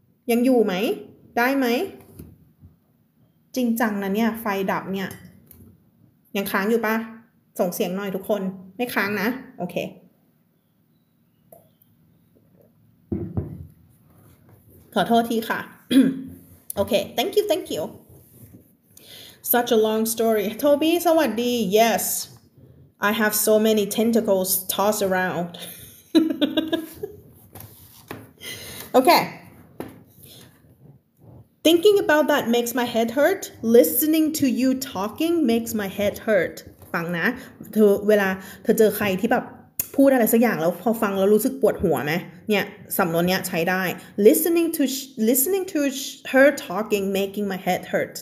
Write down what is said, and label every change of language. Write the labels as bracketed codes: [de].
[th] ยังอยู่ไหมได้ไหมจริงจังนะเนี่ยไฟดับเนี่ยยังค้างอยู่ปะส่งเสียงหน่อยทุกคนไม่ค้างนะโอเคขอโทษทีค่ะโอเค [en] thank youSuch a long story. Toby, sawaddi. Yes. I have so many tentacles tossed around. Okay. Thinking about that makes my head hurt. Listening to you talking makes my head hurt. [th] ฟังนะเวลาเธอเจอใครที่แบบพูดอะไรสักอย่างแล้วพอฟังแล้วรู้สึกปวดหัวไหมเนี่ยสำนวนเนี้ยใช้ได้ [en] Listening to her talking making my head hurt.